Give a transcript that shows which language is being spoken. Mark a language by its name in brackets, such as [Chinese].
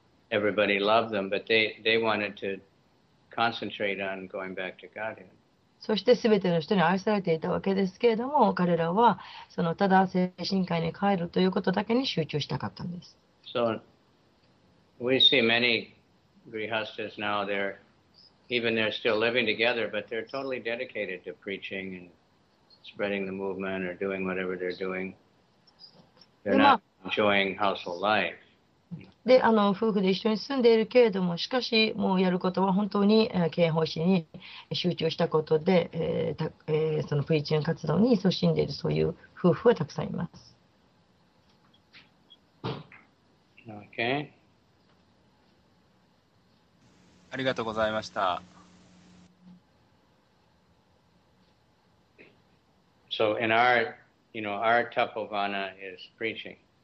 [English] Everybody loved them, but they wanted to concentrate on going back to Godhead. [Japanese] そして全ての人に愛されていたわけですけれども、彼らはそのただ精神界に帰るということだけに集中したかったんです。 [English] So, we see many grihasthas now, they're even they're still living together, but they're totally dedicated to preaching and spreading the movement or doing whatever they're doing. They're not enjoying household life. [Japanese] で、あの夫婦で一緒に住んでいるけれども、しかしもうやることは本当に経営方針に集中したことで、そのプリチン活動に勤しんでいるそういう夫婦はたくさんいます。 [English] Okay. [Japanese] ありがとうございました。 [English] So in our, you know, our tapovana is preaching.